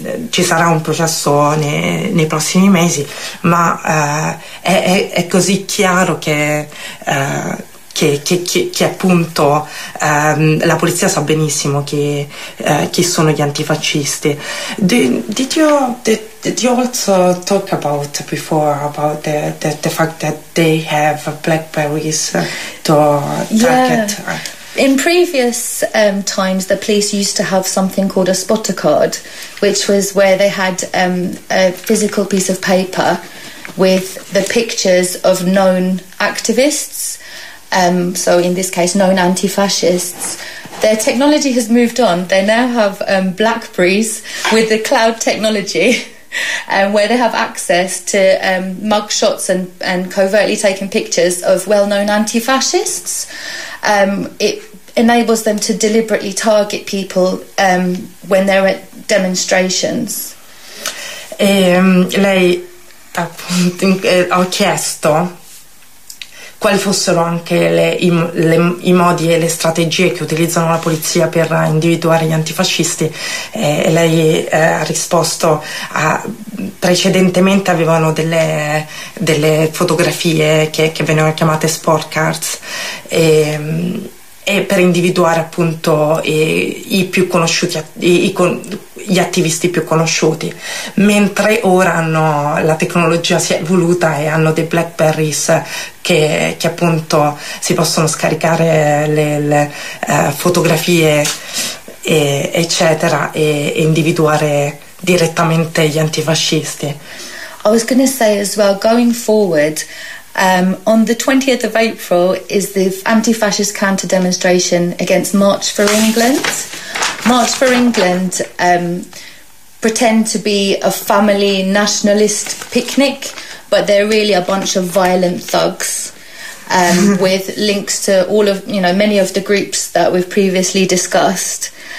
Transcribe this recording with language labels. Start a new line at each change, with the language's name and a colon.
Italian: ci sarà un processo nei prossimi mesi, ma è così chiaro che che appunto la polizia sa benissimo chi sono gli antifascisti.
English: Did you also talk about before about the fact that they have blackberries to target? Yeah. In previous times, the police used to have something called a spotter card, which was where they had a physical piece of paper with the pictures of known activists, so in this case, known anti-fascists. Their technology has moved on. They now have BlackBerries with the cloud technology, where they have access to mugshots and covertly taken pictures of well-known anti-fascists. It enables them to deliberately target people when they're at demonstrations.
Italian: Lei appunto, ho chiesto quali fossero anche i modi e le strategie che utilizzano la polizia per individuare gli antifascisti, e lei ha risposto precedentemente avevano delle fotografie che venivano chiamate sport cards, e per individuare appunto i più conosciuti, gli attivisti più conosciuti, mentre ora hanno, la tecnologia si è evoluta e hanno dei BlackBerries che appunto si possono scaricare le fotografie eccetera e individuare direttamente gli antifascisti.
English: I was going to say as well, going forward, on the 20th of April is the anti-fascist counter demonstration against March for England. March for England pretend to be a family nationalist picnic, but they're really a bunch of violent thugs with links to all of, you know, many of the groups that we've previously discussed.